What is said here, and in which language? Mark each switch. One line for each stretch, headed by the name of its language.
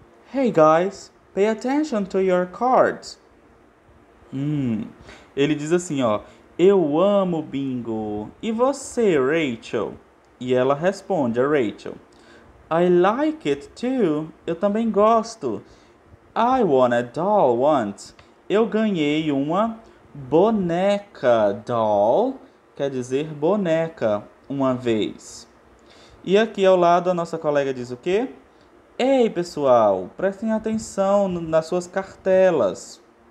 English: Hey guys, pay attention to your cards.
Portuguese: Ele diz assim, ó: Eu amo bingo. E você, Rachel? E ela responde, a Rachel:
English: I like it too.
Portuguese: Eu também gosto.
English: I want a doll once.
Portuguese: Eu ganhei uma boneca doll. Quer dizer boneca uma vez. E aqui ao lado a nossa colega diz o quê? Ei, pessoal, prestem atenção nas suas cartelas.